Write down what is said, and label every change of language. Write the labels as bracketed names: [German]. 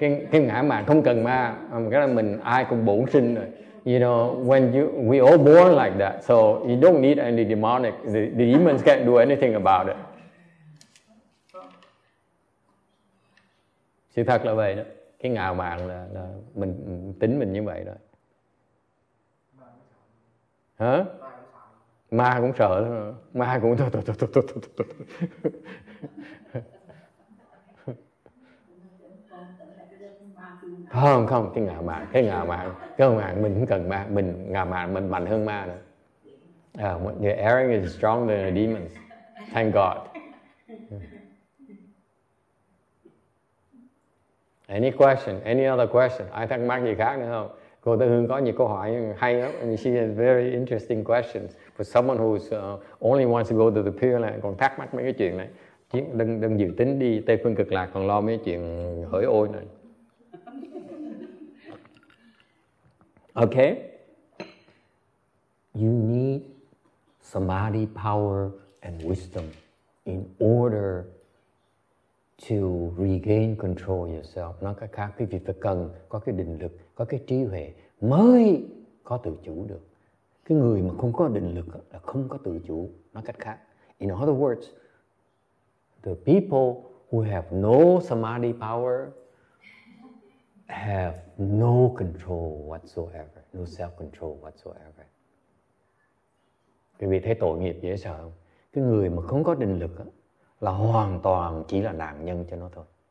[Vietnamese] Cái ngã mạn không cần ma, cái là mình ai cũng bổn sinh rồi. [English] You know, we all born like that, so you don't need any demonic. The demons can't do anything about it. [Vietnamese] Sự thật là vậy đó. Cái ngạo mạn là mình tính mình như vậy đó. Hả? Ma cũng sợ đó. Ma cũng không, cái ngạo mạn mình cũng cần ma, mình ngạo mạn mình mạnh hơn ma nữa. [English] The arrogant is stronger than the demons. Thank God. Any question? Any other question? [Vietnamese] Ai thắc mắc gì khác nữa không? Cô Tư Hương có nhiều câu hỏi hay lắm. [English] And she has very interesting questions for someone who's only wants to go to the pure land. [Vietnamese] Còn thắc mắc mấy cái chuyện này. Đừng dự tính đi Tây Phương Cực Lạc còn lo mấy chuyện hỡi ôi này. [English] Okay? You need samadhi power and wisdom in order to regain control yourself. [Vietnamese] Nó cái khác, quý vị phải cần có cái định lực, có cái trí huệ mới có tự chủ được. Cái người mà không có định lực là không có tự chủ. Nó cách khác. In other words, the people who have no samadhi power have no control whatsoever, no self-control whatsoever. Quý vị thấy tội nghiệp dễ sợ không? Cái người mà không có định lực là hoàn toàn chỉ là nạn nhân cho nó thôi.